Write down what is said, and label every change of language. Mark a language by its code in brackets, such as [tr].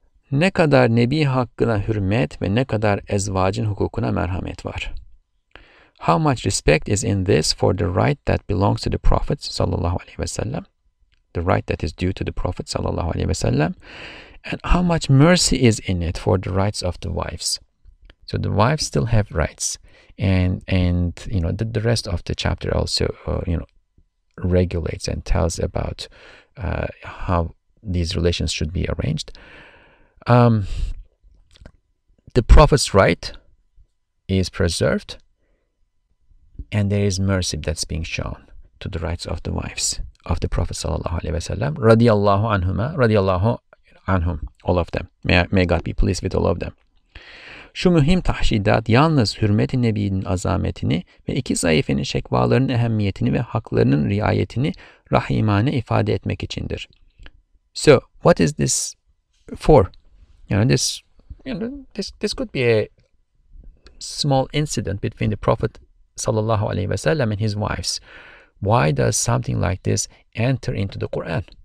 [tr] Ne kadar nebi hakkına hürmet ve ne kadar ezvacın hukukuna merhamet var. [en] How much respect is in this for the right that belongs to the Prophet sallallahu aleyhi ve sellem, the right that is due to the Prophet sallallahu aleyhi ve sellem, and how much mercy is in it for the rights of the wives. So the wives still have rights, and you know, the rest of the chapter also you know, regulates and tells about how these relations should be arranged. The Prophet's right is preserved, and there is mercy that's being shown to the rights of the wives of the Prophet sallallahu alaihi wasallam, radiyallahu anhuma, radiyallahu anhum, all of them. May God be pleased with all of them. [tr] Şu mühim tahşidat yalnız hürmet-i nebinin azametini ve iki zayıfenin şekvalarının ehemmiyetini ve haklarının riayetini rahimane ifade etmek içindir. [en] So, what is this for? You know, this could be a small incident between the Prophet sallallahu alaihi wasallam and his wives. Why does something like this enter into the Quran?